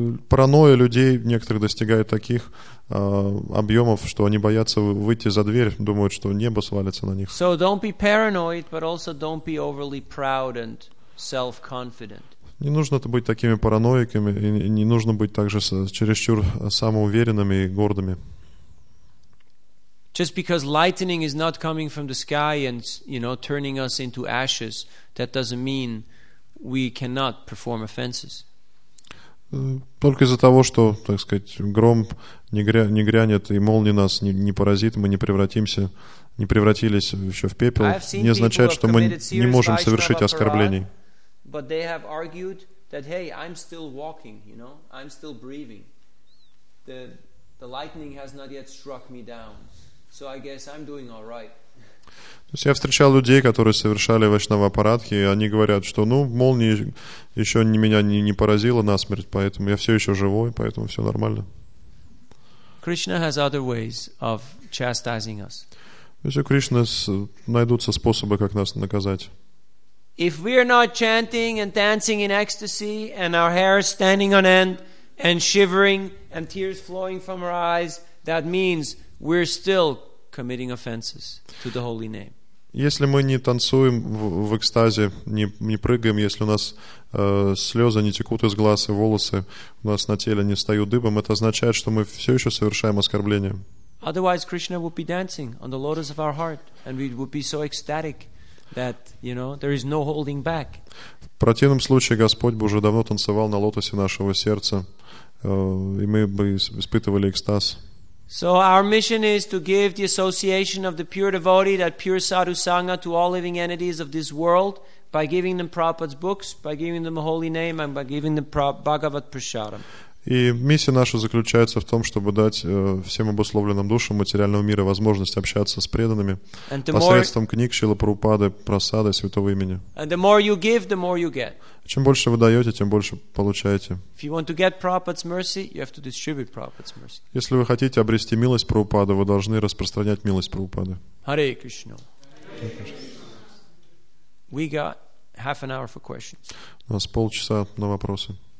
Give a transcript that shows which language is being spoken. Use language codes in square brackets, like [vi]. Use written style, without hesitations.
[ru] Паранойя людей некоторых достигает таких объемов, что они боятся выйти за дверь, думают, что небо свалится на них. [en] So don't be paranoid, but also don't be overly proud and self-confident. [ru] Не нужно быть такими параноиками, и не нужно быть также чересчур самоуверенными и гордыми. [en] Just because lightning is not coming from the sky and, you know, turning us into ashes, that doesn't mean we cannot perform offenses. [ru] Только из-за того, что, так сказать, гром не грянет и молния нас не поразит, мы не превратимся, не превратились еще в пепел, не означает, что мы не можем совершить оскорблений. [en] But they have argued that, hey, I'm still walking, you know, I'm still breathing. The lightning has not yet struck me down, so I guess I'm doing all right. [ru] То есть я встречал людей, которые совершали вайшнава-апарадхи, и они говорят, что, ну, молния еще не меня не поразила насмерть, поэтому я все еще живой, поэтому все нормально. [en] Krishna has other ways of chastising us. [ru] То есть у Кришны найдутся способы, как нас наказать. [en] If we are not chanting and dancing in ecstasy, and our hair is standing on end, and shivering, and tears flowing from our eyes, that means we're still committing offenses to the holy name. [ru] Если мы не танцуем в экстазе, не прыгаем, если у нас слезы не текут из глаз и волосы у нас на теле не встают дыбом, это означает, что мы все еще совершаем оскорбление. [en] Otherwise, Krishna would be dancing on the lotus of our heart, and we would be so ecstatic that, you know, there is no holding back. [ru] В противном случае Господь бы уже давно танцевал на лотосе нашего сердца, и мы бы испытывали экстаз. [en] So our mission is to give the association of the pure devotee, that pure sadhu sangha, to all living entities of this world by giving them Prabhupada's books, by giving them a holy name, and by giving them Bhagavad Prasadam. [ru] И миссия наша заключается в том, чтобы дать всем обусловленным душам материального мира возможность общаться с преданными посредством книг Шрилы Прабхупады, прасада, святого имени. [en] And the more you give, the more you get. [ru] Чем больше вы даете, тем больше получаете. [en] If you want to get Prabhupada's mercy, you have to distribute Prabhupada's mercy. [ru] Если вы хотите обрести милость Прабхупады, вы должны распространять милость Прабхупады. [en] Hare Krishna. We got half an hour for questions. [ru] У нас полчаса на вопросы.